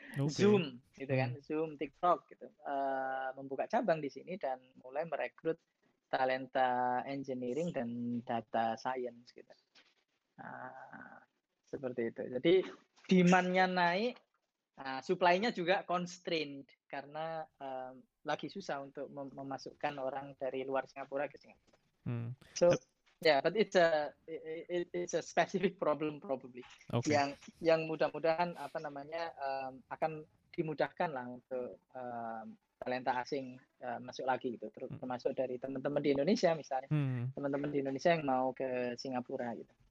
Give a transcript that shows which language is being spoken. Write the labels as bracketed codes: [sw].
[id] Zoom, gitu kan, Zoom, TikTok, gitu, membuka cabang di sini dan mulai merekrut talenta engineering dan data science, gitu, seperti itu. Jadi demand-nya naik, supply-nya juga constrained karena lagi susah untuk memasukkan orang dari luar Singapura ke Singapura. [en] Yeah, but it's a specific problem probably. Okay. [id] Yang mudah-mudahan apa namanya akan dimudahkan lah untuk talenta asing masuk lagi gitu, termasuk dari teman-teman di Indonesia misalnya, teman-teman di Indonesia yang mau ke Singapura gitu.